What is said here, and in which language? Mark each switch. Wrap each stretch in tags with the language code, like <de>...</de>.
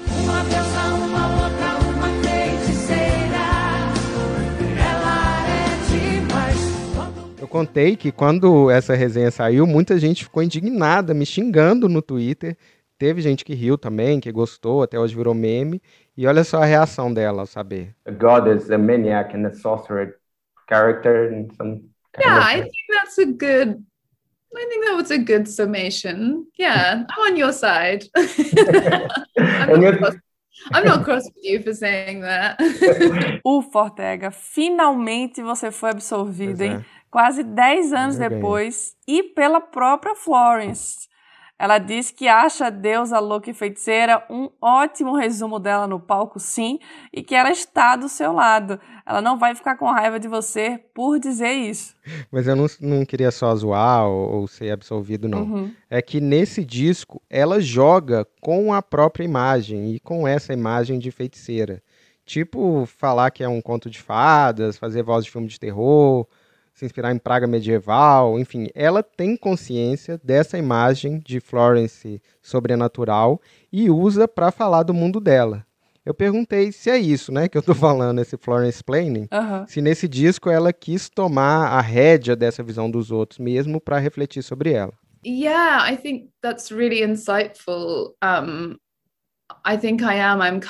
<pt>Uma deusa, uma louca, uma feiticeira, ela é demais. Eu contei que quando essa resenha saiu, muita gente ficou indignada, me xingando no Twitter. Teve gente que riu também, que gostou, até hoje virou meme. E olha só a reação dela ao saber.</pt> <en>A goddess, a maniac, and a sorcerer character. And some yeah, I think that's a good... I think that was a good summation. Yeah, I'm on your side. I'm not cross with you for saying that.</en> <pt>Ufa, Ortega, finalmente você foi absolvido, hein? Quase 10 anos depois, e pela própria Florence. Ela diz que acha deusa louca e feiticeira um ótimo resumo dela no palco, sim, e que ela está do seu lado. Ela não vai ficar com raiva de você por dizer isso. Mas eu não queria só zoar ou ser absolvido, não. Uhum. É que nesse disco ela joga com a própria imagem e com essa imagem de feiticeira. Tipo falar que é um conto de fadas, fazer voz de filme de terror, se inspirar em praga medieval, enfim, ela tem consciência dessa imagem de Florence sobrenatural e usa para falar do mundo dela. Eu perguntei se é isso, né, que eu tô falando, esse Florence Planning, se nesse disco ela quis tomar a rédea dessa visão dos outros mesmo para refletir sobre ela.</pt> <en>Yeah, I think that's really insightful. I think I am.</en>